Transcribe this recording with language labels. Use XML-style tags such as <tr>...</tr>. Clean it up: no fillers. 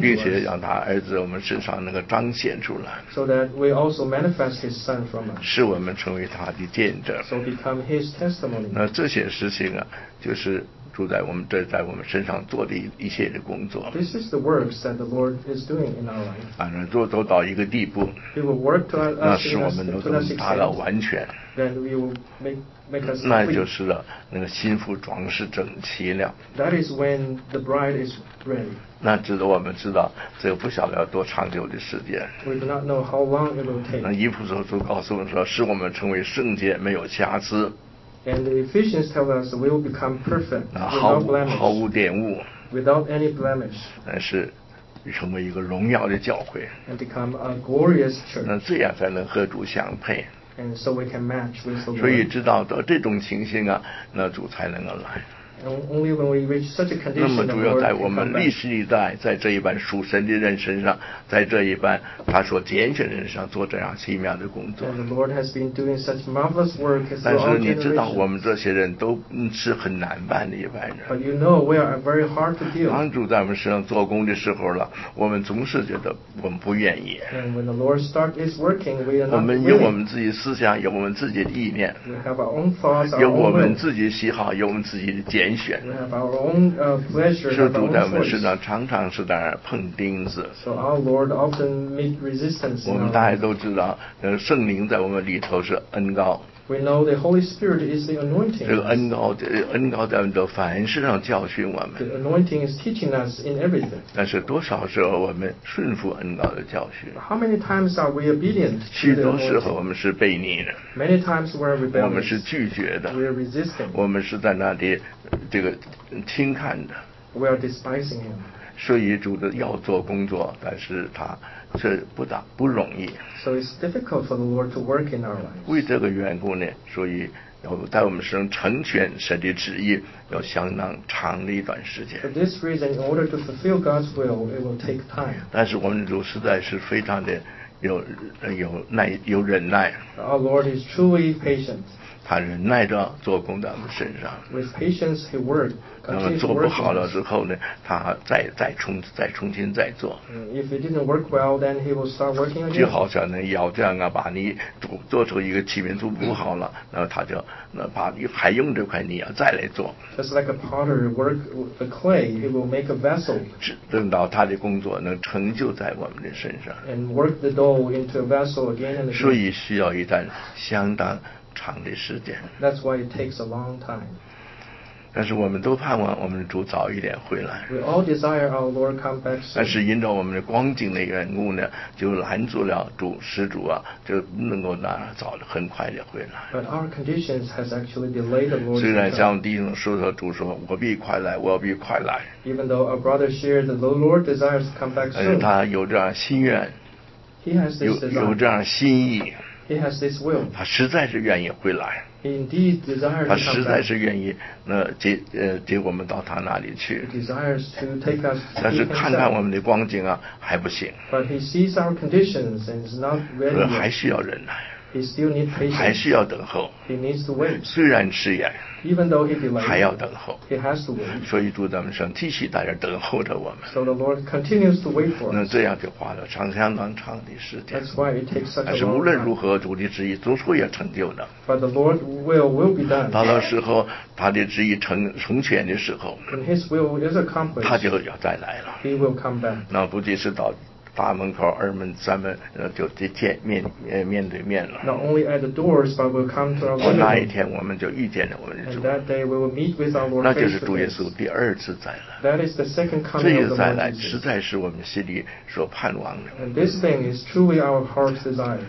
<zh>并且让他儿子我们身上能够彰显出来</zh> <en>so that we also manifest his son from us,</en> <zh>使我们成为他的见证</zh> <en>so become his testimony.</en> <zh>那这些事情啊就是住在我们这在我们身上做的一切的工作</zh> <en>This is the works that the Lord is doing in our life.</en> <zh>反正做到一个地步</zh> <en>He will work to us,</en> <zh>那使我们能够达到完全</zh> <en>then we will make us</en> <zh>那就是了那个新妇装饰整齐了</zh> <en>That is when the bride is ready.</en> <zh>那值得我们知道这个不晓得要多长久的时间</zh> <en>We do not know how long it will take.</en> <zh>那以弗所书告诉我们说使我们成为圣洁没有瑕疵</zh> <en>And the Ephesians tell us we will become perfect without blemish,</en> <zh>毫无玷污</zh> <en>without any blemish.</en> <zh>但是成为一个荣耀的教会</zh> <en>and become a glorious church.</en> <zh>那这样才能和主相配</zh> <en>and so we can match with the Lord.</en> <zh>所以知道到这种情形啊，那主才能够来。</zh> <en>And only when we reach such a condition,</en> <zh>那么主要在我们历史历代，在这一班属神的人身上，在这一班他所拣选的人身上做这样奇妙的工作。</zh> <en>And the Lord has been doing such marvelous work.</en> <zh>但是你知道，我们这些人都是很难办的一班人。</zh> <en>But you know we are very hard to deal.</en> <zh>当主在我们身上做工的时候了，我们总是觉得我们不愿意。</zh> <en>And when the Lord starts his working, we are not willing.</en> <zh>我们有我们自己思想，有我们自己的意念。</zh> <en>We have our own thoughts, our own</en> <zh>有我们自己喜好，有我们自己的拣选。是主在我们身上常常是在那儿碰钉子。</zh> <en>So our Lord often meet resistance.</en> <zh>我们大家都知道，圣灵在我们里头是恩膏。</zh> <en>We know the Holy Spirit is the anointing.</en> <zh>这个恩膏在我们的凡事上教训我们。</zh> <en>The anointing is teaching us in everything.</en> <zh>但是多少时候我们顺服恩膏的教训？</zh> <en>How many times are we obedient?</en> <zh>许多时候我们是悖逆的。</zh> <en>Many times we are rebellious.</en> <zh>我们是拒绝的。</zh> <en>We are resisting.</en> <zh>我们是在那里这个轻看的。</zh> <en>We are despising him.</en> <zh>所以主的要做工作，但是他。这不大不容易。</zh> <en>So it's difficult for the Lord to work in our lives.</en> <zh>为这个缘故呢，所以要在我们身上成全神的旨意，要相当长的一段时间。</zh> <en>For this reason, in order to fulfill God's will, it will take time.</en> <zh>但是我们主实在是非常的有忍耐。</zh> <en>Our Lord is truly patient.</en> <zh>他忍耐着做工在我们身上。</zh> <en>With patience, He worked.</en> <zh>那么做不好了之后呢，他再重新再做。</zh> <en>If it didn't work well, then he will start working again.</en> <zh>就好像那窑匠啊，把泥做出一个器皿做不好了，那他就那把还用这块泥啊再来做。</zh> <en>Just like a potter work the clay, he will make a vessel.</en> <zh>等到他的工作能成就在我们的身上。</zh> <en>And work the dough into a vessel again and again.</en> <zh>所以需要一段相当长的时间。</zh> <en>That's why it takes a long time.</en> <zh>但是我们都盼望我们主早一点回来。</zh> <en>We all desire our Lord come back soon.</en> <zh>但是因着我们的光景的缘故呢，就拦住了主施主啊，就能够早很快的回来。</zh> <en>But our conditions has actually delayed the Lord.</en> <zh>虽然像弟兄说的，主说我必快来，我必快来。</zh> <en>Even though our brother shared the Lord desires to come back soon.</en> <zh>但是他有这样心愿。</zh> <en>He has this desire.</en> <zh>有这样心意。</zh> <en>He has this will.</en> <zh>他实在是愿意回来。</zh> <en>He indeed desires to come back.</en> <zh>他实在是愿意那接我们到他那里去。</zh> <en>He desires to take us.</en> <zh>但是看看我们的光景啊，还不行。</zh> <en>But he sees our conditions and is not ready.</en> <zh>还需要忍耐。</zh> <en>He still needs patience.</en> <zh>还需要等候。</zh> <en>He needs to wait.</en> <zh>虽然迟延。</zh> <en>Even though he delays.</en> <zh>还要等候。</zh> <en>He has to wait.</en> <zh>所以主在我们身上继续在这等候着我们。</zh> <en>So the Lord continues to wait for us.</en> <zh>那这样就花了相当长的时间。</zh> <en>That's why it takes such a long time.</en> <zh>但是无论如何，主的旨意总会要成就的。</zh> <en>But the Lord will be done.</en> <zh>到了时候，他的旨意成全的时候。</zh> <en>When his will is accomplished.</en> <zh>他就要再来了。</zh> <en>He will come back.</en> <zh>那不仅是到大门口、二门、三门，就得见面面对面了。</zh> <en>Not only at the doors, but we'll come to our living</en> <zh>那一天我们就遇见了我们的主。</zh> <en>And that day we will meet with our Lord.</en> <zh>那就是主耶稣第二次再来。</zh> <en>That is the second coming of the Lord Jesus.</en> <zh>这一次再来，实在是我们心里所盼望的。</zh> <en>And this thing is truly our heart's desire.</en>